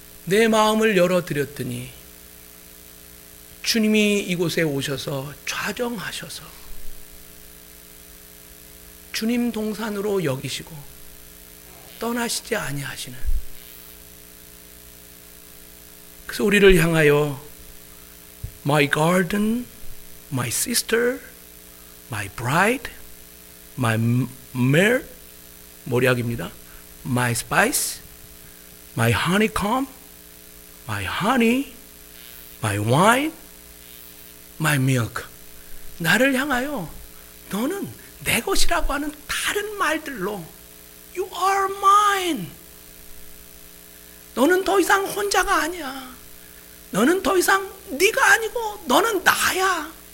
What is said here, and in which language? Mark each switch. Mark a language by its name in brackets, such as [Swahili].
[Korean] 내 마음을 열어드렸더니 주님이 이곳에 오셔서 좌정하셔서 주님 동산으로 여기시고 떠나시지 아니하시는 그래서 우리를 향하여 [English] My garden, my sister, my bride, my myrrh [Korean] 몰약입니다. [English] My spice, my honeycomb My honey, my wine, my milk. [Korean] 나를 향하여 너는 내 것이라고 하는 다른 말들로 [English] You are mine. [Korean] 너는 더 이상 혼자가 아니야. 너는 더 이상 네가 아니고 너는 나야.